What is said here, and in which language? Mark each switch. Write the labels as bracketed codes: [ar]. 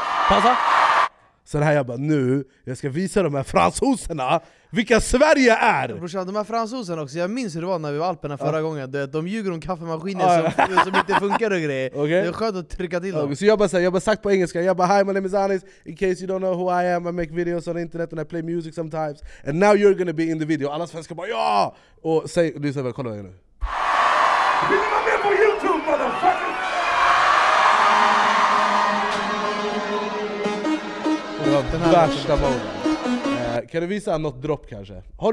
[sv] Pausa. Så det här jag bara, nu, jag ska visa de här fransoserna vilka Sverige är! Brorsan, de här fransoserna också, jag minns hur det var när vi var i Alperna förra gången. De ljuger om kaffemaskiner som inte funkar och grejer. [en] Okay. [sv] Det är skönt att trycka till dem. Så jag bara sagt på engelska, jag bara, [en] hi, my name is Anis. In case you don't know who I am, I make videos on the internet and I play music sometimes. And now you're gonna be in the video. [sv] Alla svenskar bara, ja! Och säg, du säger väl, kolla nu. Vill ni vara med på YouTube, motherfucker? Värsta moment. Kan du visa något dropp kanske?